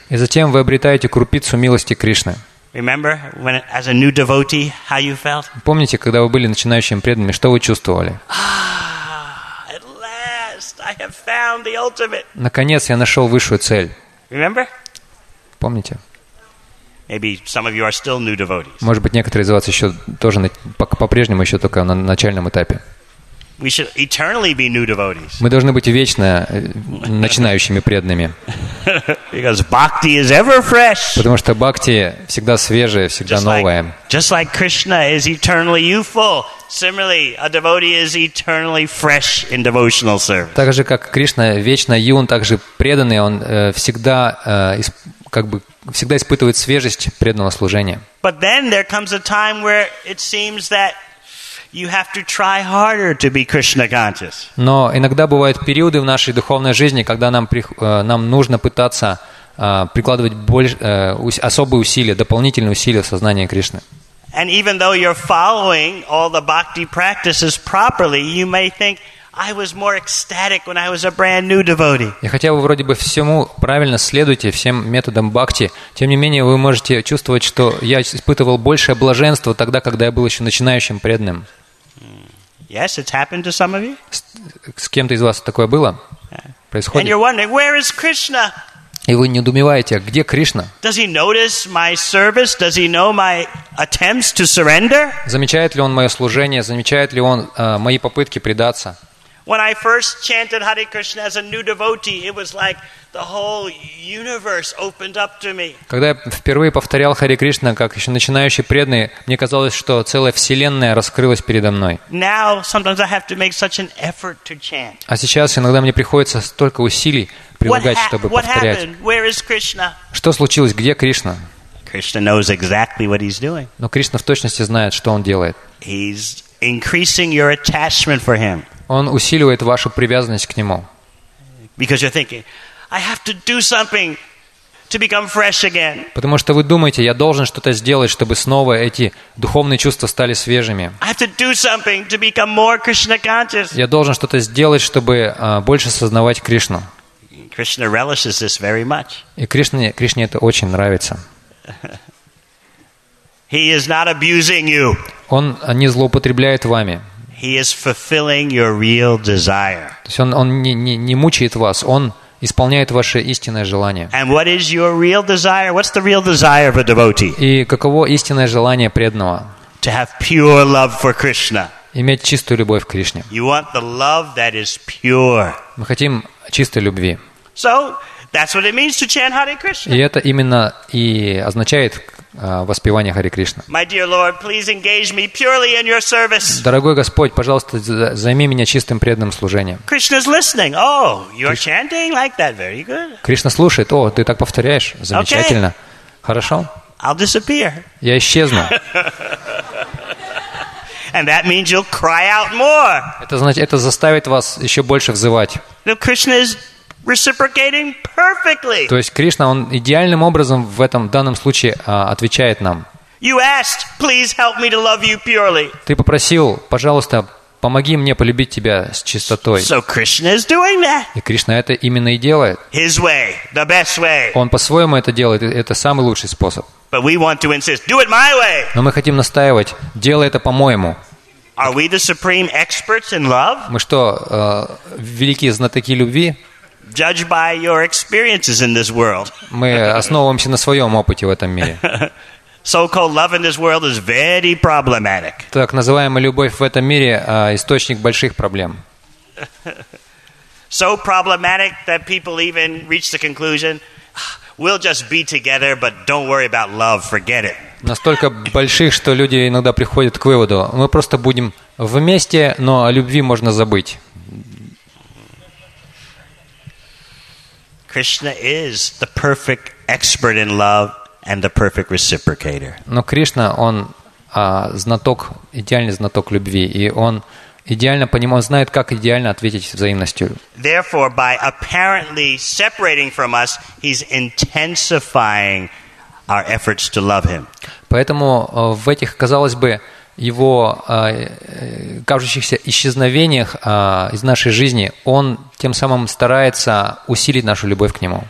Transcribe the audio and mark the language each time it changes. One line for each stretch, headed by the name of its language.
Russian: И затем вы обретаете крупицу милости Кришны.
English: Remember, when as a new devotee, how you felt?
Russian: Помните, когда вы были начинающим преданным, что вы чувствовали?
English: Ah, at last, I have found the ultimate.
Russian: Наконец я нашел высшую цель.
English: Remember?
Russian: Помните?
English: Maybe some of you are still new devotees.
Russian: Может быть, некоторые из вас еще тоже по-прежнему еще только на начальном этапе.
English: We should eternally be new devotees.
Russian: Мы должны быть вечно начинающими преданными.
English: Because bhakti is ever fresh.
Russian: Потому что бхакти всегда свежая, всегда новая.
English: Just like Krishna is eternally youthful, similarly a devotee is eternally fresh in devotional service.
Russian: Так же как Кришна вечно юн, так же преданный он всегда всегда испытывает свежесть преданного служения.
English: But then there comes a time where it seems that you have to try harder to be Krishna conscious.
Russian: Но иногда бывают периоды в нашей духовной жизни, когда нам нужно пытаться прикладывать особые усилия, дополнительные усилия в сознании Кришны.
English: And even though you're following all the bhakti practices properly, you may think I was more ecstatic when I was a brand new devotee.
Russian: И хотя вы вроде бы всему правильно следуете, всем методам бхакти, тем не менее вы можете чувствовать, что я испытывал большее блаженство тогда, когда я был еще начинающим преданным.
English: Yes, it's happened to some of you.
Russian: С кем-то из вас такое было? Происходит?
English: And you're wondering, where is Krishna?
Russian: И вы недоумеваете, где Кришна?
English: Does he notice my service? Does he know my attempts to surrender?
Russian: Замечает ли он мое служение? Замечает ли он мои попытки предаться?
English: When I first chanted Hare Krishna as a new devotee, it was like the whole universe opened up to me.
Russian: Когда я впервые повторял Харе Кришна как еще начинающий преданный, мне казалось, что целая вселенная раскрылась передо мной.
English: Now sometimes I have to make such an effort to chant.
Russian: А сейчас иногда мне приходится столько усилий прилагать, чтобы повторять.
English: Where is Krishna?
Russian: Что случилось? Где Кришна?
English: Krishna knows exactly what he's doing.
Russian: Но Кришна в точности знает, что он делает.
English: He's increasing your attachment for him.
Russian: Он усиливает вашу привязанность к нему.
English: Because you're thinking, I have to do something to become fresh again.
Russian: Потому что вы думаете, я должен что-то сделать, чтобы снова эти духовные чувства стали свежими.
English: I have to do something to become more Krishna conscious.
Russian: Я должен что-то сделать, чтобы больше сознавать Кришну.
English: Krishna relishes this very much.
Russian: И Кришне это очень нравится.
English: He is not abusing you.
Russian: Он не злоупотребляет вами.
English: He is fulfilling your real desire.
Russian: То есть он не мучает вас, он исполняет ваше истинное желание.
English: And what is your real desire? What's the real desire of a devotee?
Russian: И каково истинное желание преданного?
English: To have pure love for Krishna.
Russian: Иметь чистую любовь к Кришне.
English: You want the love that is pure.
Russian: Мы хотим чистой любви.
English: So that's what it means to chant Hare Krishna.
Russian: И это именно и означает воспевание Харе Кришна.
English: My dear Lord, please engage me purely in your service.
Russian: Дорогой Господь, пожалуйста, займи меня чистым преданным служением.
English: Krishna's listening. Oh, you're chanting like that. Very good.
Russian: Кришна слушает. О, ты так повторяешь. Замечательно.
English: Okay.
Russian: Хорошо.
English: I'll disappear.
Russian: Я исчезну.
English: And that means you'll cry out more.
Russian: Это значит, это заставит вас еще больше взывать.
English: Now Krishna is reciprocating perfectly.
Russian: То есть Кришна, он идеальным образом в этом данном случае отвечает нам.
English: You asked, please help me to love you purely.
Russian: Ты попросил, пожалуйста, помоги мне полюбить тебя с чистотой.
English: So Krishna is doing that.
Russian: И Кришна это именно и делает.
English: His way, the best way.
Russian: Он по-своему это делает, это самый лучший способ.
English: But we want to insist, do it my way.
Russian: Но мы хотим настаивать, делай это по-моему.
English: Are we the supreme experts in love?
Russian: Мы что, великие знатоки любви?
English: Judge by your experiences in this world.
Russian: Мы основываемся на своем опыте в этом мире.
English: So-called love in this world is very problematic.
Russian: Так называемая любовь в этом мире источник больших проблем.
English: So problematic that people even reach the conclusion, we'll just be together, but don't worry about love, forget it.
Russian: Настолько больших, что люди иногда приходят к выводу, мы просто будем вместе, но о любви можно забыть.
English: Krishna is the perfect expert in love and the perfect reciprocator.
Russian: Но Кришна, он знаток, идеальный знаток любви, и он идеально понимает, он знает, как идеально ответить взаимностью.
English: Therefore, by apparently separating from us, he's intensifying our efforts to love him.
Russian: Поэтому в этих, казалось бы, его кажущихся исчезновениях из нашей жизни, он тем самым старается усилить нашу любовь к нему.